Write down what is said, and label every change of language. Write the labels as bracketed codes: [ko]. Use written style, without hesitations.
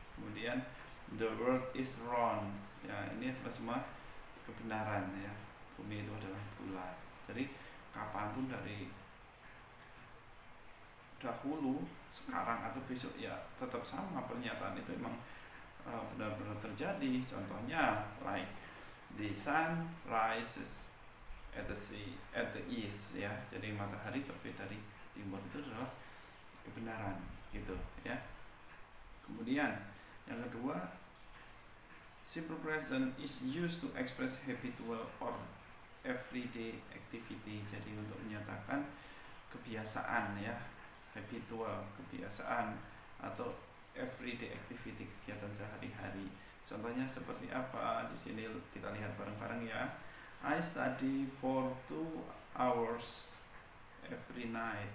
[id] Kemudian [en] the world is round [id] ya, ini adalah semua kebenaran ya, bumi itu adalah bulat. Jadi kapanpun dari dahulu, sekarang atau besok ya tetap sama pernyataan itu memang benar-benar terjadi. [en] Contohnya like the sun rises at the sea at the east ya. [id] Jadi matahari terbit dari timur itu adalah kebenaran gitu ya. [en] Kemudian yang kedua, simple present is used to express habitual or everyday activity. [id] Jadi untuk menyatakan kebiasaan ya, habitual, kebiasaan, atau [en] everyday activity, [id] kegiatan sehari-hari. Contohnya seperti apa? Di sini kita lihat bareng-bareng ya. [en] I study for 2 hours every night.